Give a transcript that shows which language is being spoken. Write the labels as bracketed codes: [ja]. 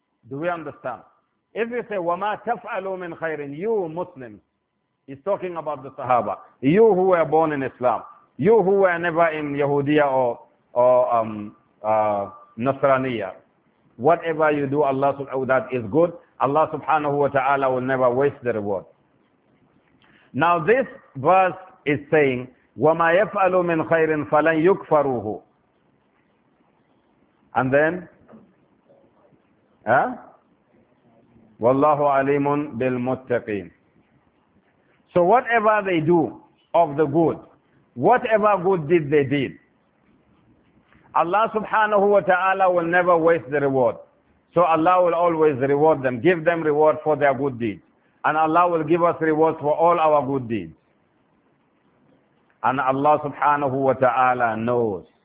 [en] Do we understand? If you say, [ar] وَمَا تَفْعَلُوا مِنْ خَيْرٍ, [en] you Muslims, he's talking about the Sahaba, you who were born in Islam, you who were never in Yahudiya or Nasraniya, whatever you do, Allah subhanahu wa ta'ala, that is good, Allah subhanahu wa ta'ala will never waste the reward. Now this verse is saying, [ar] وَمَا يَفْعَلُوا مِنْ خَيْرٍ فَلَنْ يُكْفَرُوهُ. [en] And then, [ar] وَاللَّهُ عَلِيمٌ بِالْمُتَّقِينَ. [en] So whatever they do of the good, whatever good deed they did, Allah subhanahu wa ta'ala will never waste the reward. So Allah will always reward them, give them reward for their good deeds. And Allah will give us rewards for all our good deeds. And Allah subhanahu wa ta'ala knows.